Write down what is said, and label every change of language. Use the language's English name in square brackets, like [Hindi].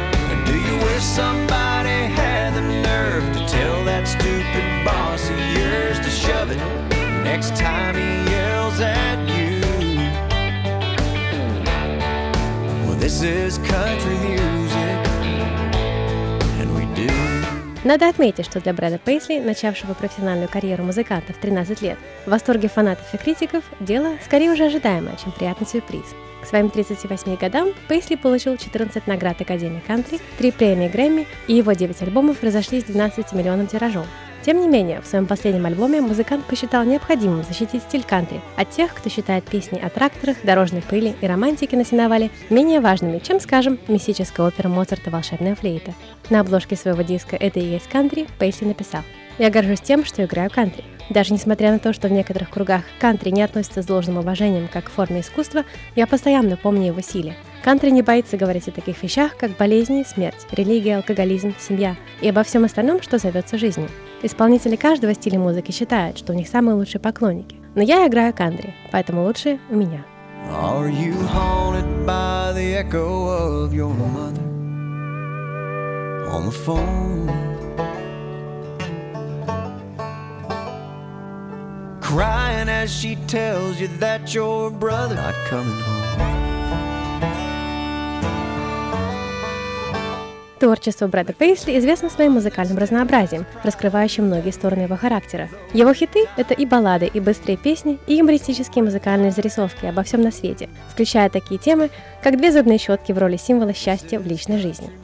[English] And do you wish somebody had the nerve to tell that stupid boss of yours to shove it next time he yells at you? Well, this is country music. [Russian] Надо отметить, что для Брэда Пейсли, начавшего профессиональную карьеру музыканта в 13 лет, в восторге фанатов и критиков, дело скорее уже ожидаемое, чем приятный сюрприз. К своим 38 годам Пейсли получил 14 наград Академии Кантри, 3 премии Грэмми, и его 9 альбомов разошлись 12-миллионным тиражом. Тем не менее, в своем последнем альбоме музыкант посчитал необходимым защитить стиль кантри от тех, кто считает песни о тракторах, дорожной пыли и романтике на Синавале менее важными, чем, скажем, мистическая опера Моцарта «Волшебная флейта». На обложке своего диска «Это и есть кантри» Пейсли написал: «Я горжусь тем, что играю кантри. Даже несмотря на то, что в некоторых кругах кантри не относится с должным уважением как к форме искусства, я постоянно помню его силе. Кантри не боится говорить о таких вещах, как болезни, смерть, религия, алкоголизм, семья и обо всем остальном, что зовется жизнью. Исполнители каждого стиля музыки считают, что у них самые лучшие поклонники. Но я играю кантри, поэтому лучшие у меня». [English] Are you haunted by the echo of your mother on the phone? Crying as she tells you that your brother not coming home. [Russian] Творчество Брэда Пейсли известно своим музыкальным разнообразием, раскрывающим многие стороны его характера. Его хиты — это и баллады, и быстрые песни, и юмористические музыкальные зарисовки обо всем на свете, включая такие темы, как две зубные щетки в роли символа счастья в личной жизни.